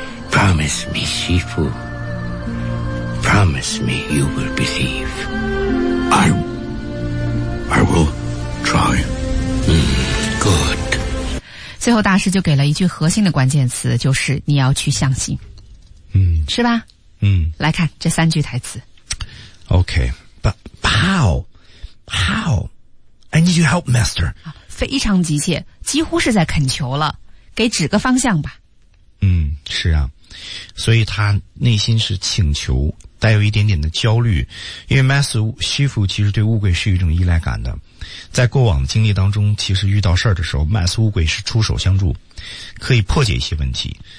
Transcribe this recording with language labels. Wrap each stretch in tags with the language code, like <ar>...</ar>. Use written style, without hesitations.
<en>Promise me, Shifu. Promise me you will believe. I will try. 嗯 ,good.</en> <zh>最后大师就给了一句核心的关键词，就是你要去相信。嗯。是吧？嗯。来看这三句台词。</zh> <en>Okay, but how? I need your help, Master.</en> <zh>非常急切，几乎是在恳求了。给指个方向吧。嗯，是啊，所以他内心是请求，带有一点点的焦虑，因为 Mass Shifu 其实对乌龟是有一种依赖感的。在过往的经历当中，其实遇到事儿的时候 ，Mass 乌龟是出手相助，可以破解一些问题。</zh>